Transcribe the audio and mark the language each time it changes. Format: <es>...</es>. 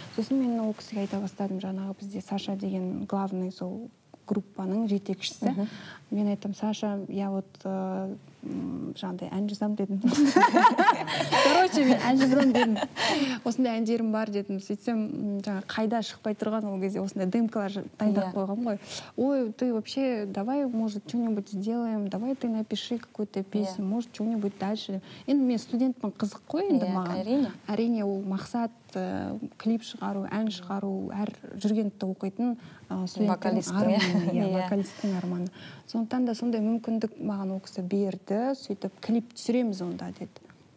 <kk>Сосын мен ол кісіге айта бастадым, жаңағы бізде Саша деген главный сол группаның жетекшісі. Мен айттым, Саша,</kk> <ru>я вот</ru> <kk>жаңдай ән жазам дедім. Короче, мен ән жазам дедім. Осындай әндерім бар дедім. Сөйтсем, жаңағы қайда шықпай тұрған ол кезде осындай демкалар дайындап қойған ғой.</kk> <ru>Ой, ты вообще, давай, может, что-нибудь сделаем, давай ты напиши какую-то песню, может, что-нибудь дальше.</ru> <kk>Енді мен студентпен, қызық қой енді маған. Әрине, ол мақсат клип шығару, ән шығару, әр жүргенді оқитын вокалистің арманы. Сондықтан да сондай мүмкіндік маған ол кісі берді, сөйтіп клип түсіреміз онда деді.</kk>